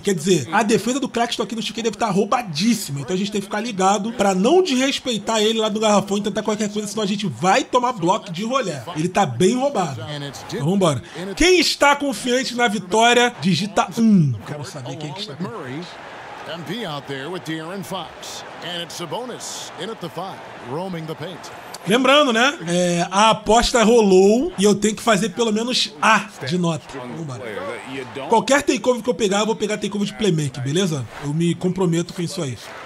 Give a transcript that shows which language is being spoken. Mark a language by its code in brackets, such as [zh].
[pt] Quer dizer, a defesa do Claxton aqui no Chiquei deve estar roubadíssima. Então a gente tem que ficar ligado pra não desrespeitar ele lá no garrafão e tentar qualquer coisa, senão a gente vai tomar bloco de rolê. Ele tá bem roubado. Então vambora. Quem está confiante na vitória, digita 1. Quero saber quem que está confiante. [en] MP out there with De'Aaron Fox. And it's Sabonis in at the five, roaming the paint. [pt] Lembrando, né? É, a aposta rolou e eu tenho que fazer pelo menos A de nota. Vambora. Qualquer takeover que eu pegar, eu vou pegar takeover de playmaker, beleza? Eu me comprometo com isso aí.